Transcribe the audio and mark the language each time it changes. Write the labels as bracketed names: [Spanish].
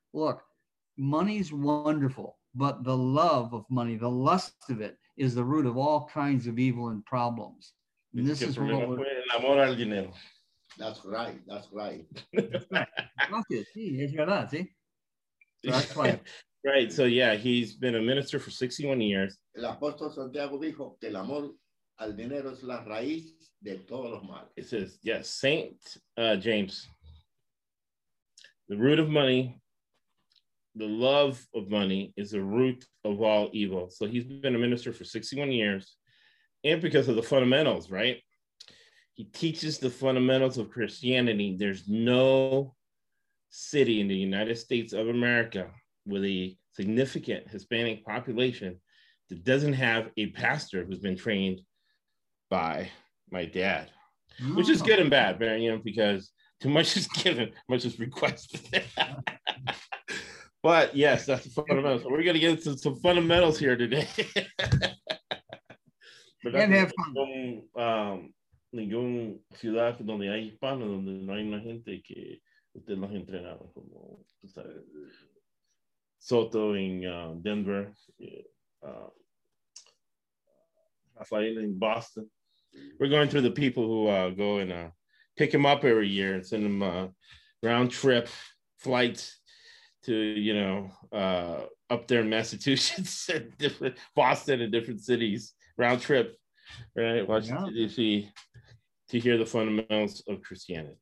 [English] Look, money's wonderful, but the love of money, the lust of it, is the root of all kinds of evil and problems. And this is what we're... That's right. So yeah, he's been a minister for 61 years. [Spanish] El apóstol Santiago dijo que el amor al dinero es la raíz de todos los males. [English] It says, yes, Saint James. The root of money, the love of money is the root of all evil. So he's been a minister for 61 years. And because of the fundamentals, right? He teaches the fundamentals of Christianity. There's no city in the United States of America with a significant Hispanic population that doesn't have a pastor who's been trained by my dad, which is good and bad, but, you know, because too much is given, much is requested. But yes, that's the fundamentals. So we're going to get into some fundamentals here today. But and have fun. [Spanish] Ningún ciudad donde hay hispano donde no hay una gente que usted los entrenaba como tú sabes Soto en Denver Rafael en Boston. [English] We're going through the people who go and pick him up every year and send him round trip flights to, you know, up there in Massachusetts, different Boston and different cities, round trip, right? Washington, yeah. D.C., to hear the fundamentals of Christianity.